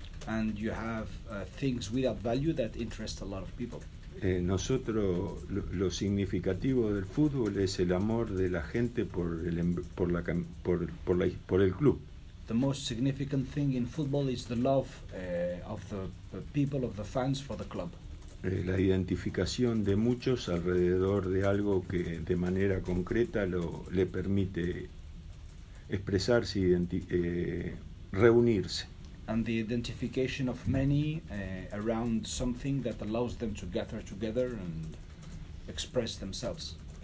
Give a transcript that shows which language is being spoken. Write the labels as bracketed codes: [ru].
[en] And you have things without value that interest a lot of people. [es] Nosotros, lo significativo del fútbol es el amor de la gente por el club. [en] The most significant thing in football is the love of the people, of the fans for the club. [es] La identificación de muchos alrededor de algo que de manera concreta le permite expresarse, reunirse. [en] And the identification of many around something that allows them to gather together and express themselves.